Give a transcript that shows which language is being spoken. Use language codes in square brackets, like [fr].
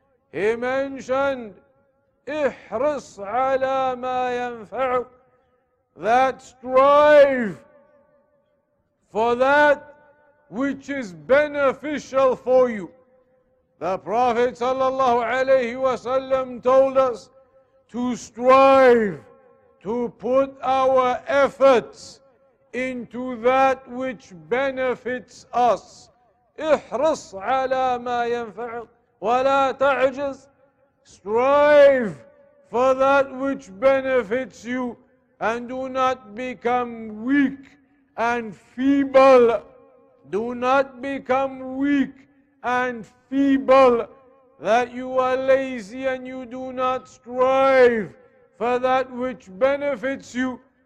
[en] He mentioned, [ar] احرص على ما ينفعك, [en] that strive for that which is beneficial for you. The Prophet sallallahu alayhi wa sallam told us to strive, to put our efforts into that which benefits us. [ar] احرص على ما ينفعك ولا تعجز. [en] Strive for that which benefits you, and do not become weak and feeble. Do not become weak and feeble that you are lazy and you do not strive for that which benefits you.